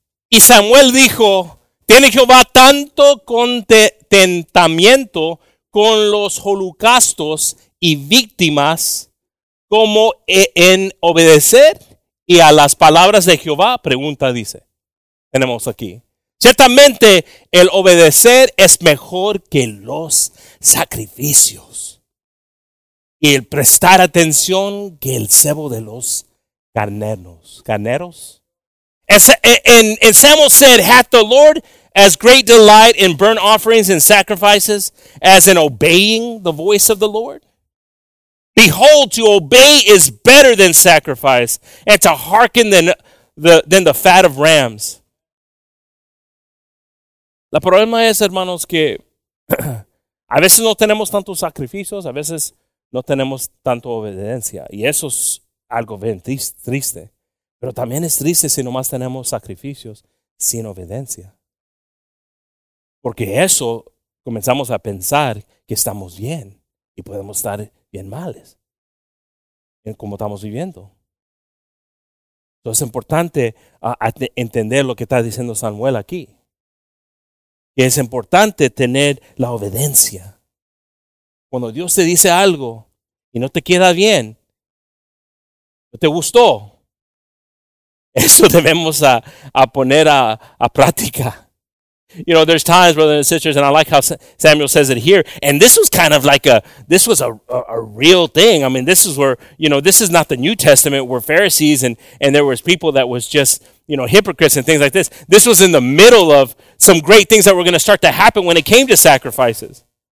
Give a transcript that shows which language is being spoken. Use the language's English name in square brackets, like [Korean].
[Spanish] Y Samuel dijo: ¿Tiene Jehová tanto contentamiento con los holocaustos y víctimas como en obedecer y a las palabras de Jehová? Pregunta, dice. Tenemos aquí. Ciertamente el obedecer es mejor que los sacrificios y el prestar atención que el cebo de los carneros. ¿Carneros? [English] In Samuel said, hath the Lord as great delight in burnt offerings and sacrifices as in obeying the voice of the Lord? Behold, to obey is better than sacrifice, and to hearken than the fat of rams. [Spanish] La problema es, hermanos, que a veces no tenemos tantos sacrificios, a veces no tenemos tanto obediencia, y eso es algo bien triste. Pero también es triste si nomás tenemos sacrificios sin obediencia. Porque eso comenzamos a pensar que estamos bien y podemos estar bien males en cómo estamos viviendo. Entonces es importante entender lo que está diciendo Samuel aquí. Que es importante tener la obediencia. Cuando Dios te dice algo y no te queda bien, no te gustó, eso debemos a poner a práctica. [English] You know, there's times, brothers and sisters, and I like how Samuel says it here. And this was kind of like this was a real thing. I mean, this is where, you know, this is not the New Testament where Pharisees and there was people that was just, you know, hypocrites and things like this. This was in the middle of some great things that were going to start to happen when it came to sacrifices.